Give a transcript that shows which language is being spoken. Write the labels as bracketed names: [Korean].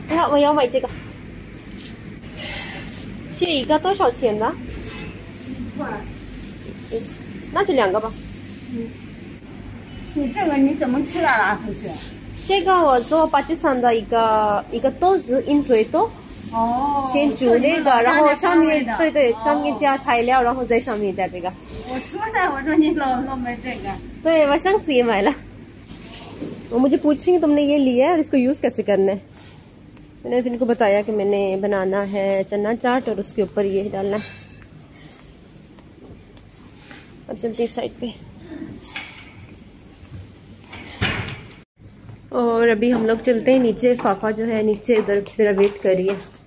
[Chinese] 我要买这个这一个多少钱呢那就两个吧你这个你怎么吃的啊同学这个我做巴基斯坦的一个豆子鹰嘴豆哦，先煮那个，然后上面对对，上面加材料，然后在上面加这个。我说的，我说你老弄买这个。对，我上次也买了。 [Hindi] 我मुझे पूछेंगे तुमने ये लिया और इसको यूज कैसे करना है मैंने फिर इनको बताया कि मैंने बनाना है चना चाट और उसके ऊपर ये डालना है अब चलते हैं साइड पे और अभी हम लोग चलते हैं नीचे फाफा जो है नीचे उधर मेरा वेट करिए